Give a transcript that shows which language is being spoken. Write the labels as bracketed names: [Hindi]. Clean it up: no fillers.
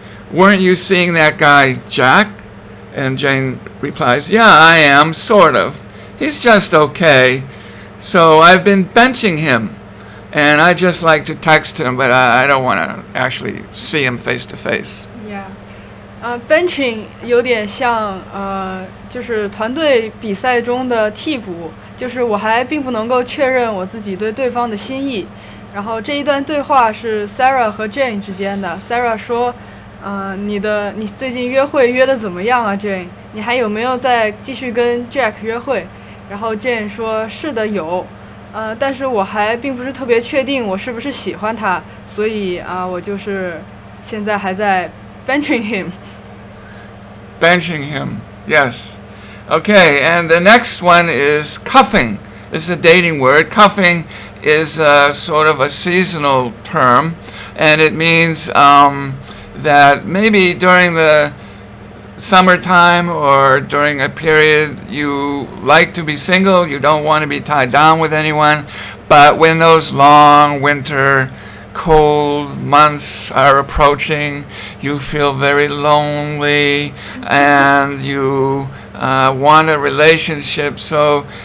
[English] Weren't you seeing that guy, Jack?" And Jane replies, "Yeah, I am, sort of. He's just okay. So I've been benching him, and I just like to text him, but I don't want to actually see him face to face." [Chinese] Yeah, benching 有点像就是团队比赛中的替补，就是我还并不能够确认我自己对对方的心意。然后这一段对话是 Sarah 和 Jane 之间的。 Sarah 说，你最近约会约得怎么样啊 ，Jane？你还有没有再继续跟 Jack 约会？然后 Jane 说，是的，有，但是我还并不是特别确定我是不是喜欢他，所以我就是现在还在 [English] benching him。 Benching him, yes. Okay, and the next one is cuffing. It's a dating word. Cuffing is a sort of a seasonal term, and it means that maybe during the summertime or during a period you like to be single, you don't want to be tied down with anyone, but when those long winter cold months are approaching, you feel very lonely and you want a relationship, so